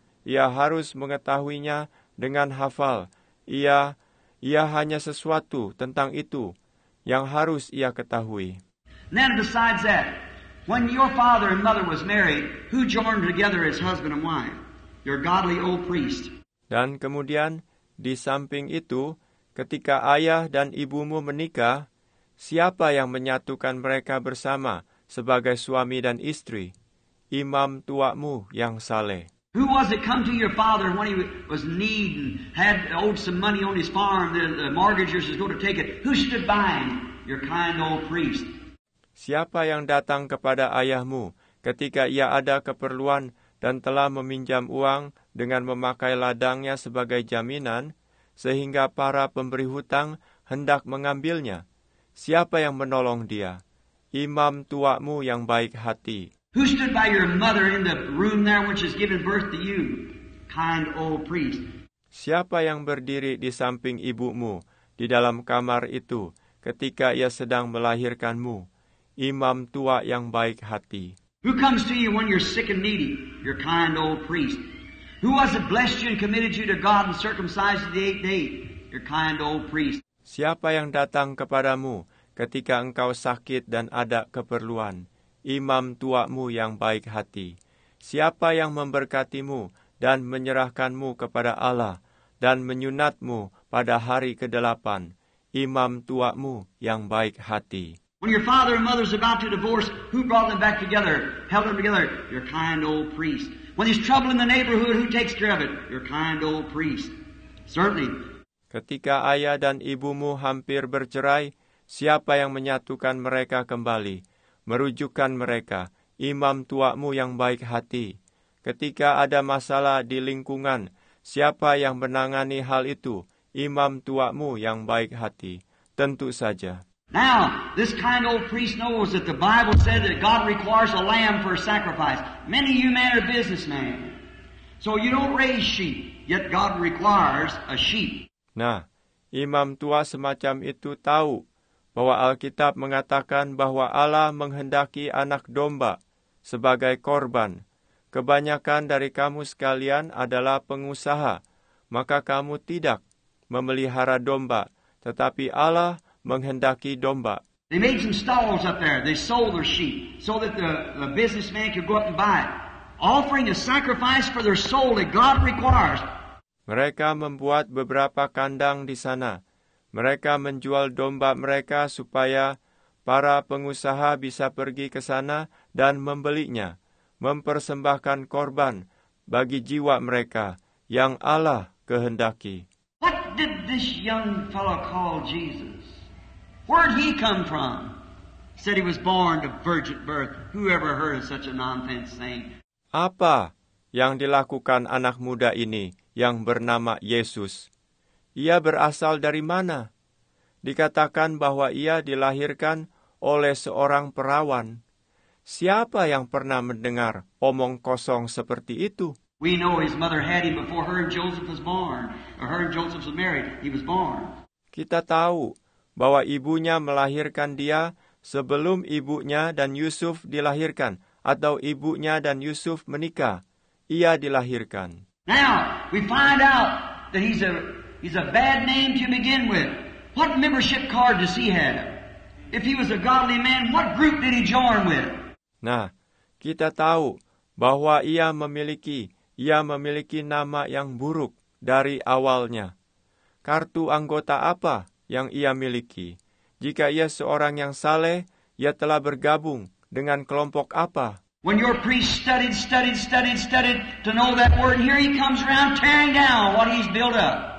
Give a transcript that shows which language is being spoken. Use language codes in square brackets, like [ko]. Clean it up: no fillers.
[id] Ia harus mengetahuinya dengan hafal. Ia hanya sesuatu tentang itu yang harus ia ketahui. [en] And then besides that, when your father and mother was married, who joined together as husband and wife? Your godly old priest. [id] Dan kemudian, di samping itu, ketika ayah dan ibumu menikah, siapa yang menyatukan mereka bersama sebagai suami dan istri? Imam tuamu yang saleh. [en] Who was it come to your father when he was in need and had owed some money on his farm, the mortgagers was going to take it? Who stood by him? Your kind old priest. [id] Siapa yang datang kepada ayahmu ketika ia ada keperluan dan telah meminjam uang dengan memakai ladangnya sebagai jaminan? sehingga para pemberi hutang hendak mengambilnya. Siapa yang menolong dia? Imam tuamu yang baik hati. [en] Who stood by your mother in the room there when she's given birth to you, kind old priest? [id] Siapa yang berdiri di samping ibumu di dalam kamar itu ketika ia sedang melahirkanmu, imam tua yang baik hati? [en] Who comes to you when you're sick and needy, your kind old priest? Who was it blessed you and committed you to God and circumcised you the eighth day, your kind old priest? [id] Siapa yang datang kepadamu ketika engkau sakit dan ada keperluan, imam tuamu yang baik hati? Siapa yang memberkatimu dan menyerahkanmu kepada Allah dan menyunatmu pada hari ke-8, imam tuamu yang baik hati? [en] When your father and mother is about to divorce, who brought them back together, held them together? Your kind old priest. When there's trouble in the neighborhood, who takes care of it? Your kind old priest. Certainly. [id] Ketika ayah dan ibumu hampir bercerai, siapa yang menyatukan mereka kembali, merujukkan mereka? Imam tuamu yang baik hati. Ketika ada masalah di lingkungan, siapa yang menangani hal itu? Imam tuamu yang baik hati. Tentu saja. [en] Now, this kind old priest knows that the Bible said that God requires a lamb for a sacrifice. Many of you men are businessmen. So you don't raise sheep, yet God requires a sheep. [id] Nah, imam tua semacam itu tahu bahwa Alkitab mengatakan bahwa Allah menghendaki anak domba sebagai korban. Kebanyakan dari kamu sekalian adalah pengusaha, maka kamu tidak memelihara domba, tetapi Allah menghendaki domba. [en] They made some stalls up there. They sold their sheep so that the businessman could go up and buy it. Offering a sacrifice for their soul that God requires. [id] Mereka membuat beberapa kandang di sana. Mereka menjual domba mereka supaya para pengusaha bisa pergi ke sana dan membelinya, mempersembahkan korban bagi jiwa mereka yang Allah kehendaki. [en] What did this young fellow call Jesus? Where did he come from? Said he was born of virgin birth. Who ever heard of such a nonsense saying? [id] Apa yang dilakukan anak muda ini yang bernama Yesus? Ia berasal dari mana? Dikatakan bahwa ia dilahirkan oleh seorang perawan. Siapa yang pernah mendengar omong kosong seperti itu? [en] We know his mother had him before her and Joseph was born. Or her and Joseph was married. He was born. [id] Kita tahu bahwa ibunya melahirkan dia sebelum ibunya dan Yusuf dilahirkan, atau ibunya dan Yusuf menikah, ia dilahirkan. [en] Now we find out that he's a bad name to begin with. What membership card does he have? If he was a godly man, what group did he join with? [id] Nah, kita tahu bahwa ia memiliki nama yang buruk dari awalnya. Kartu anggota apa yang ia miliki? Jika ia seorang yang saleh, ia telah bergabung dengan kelompok apa? [en] When your priest studied to know that word, here he comes around tearing down what he's built up.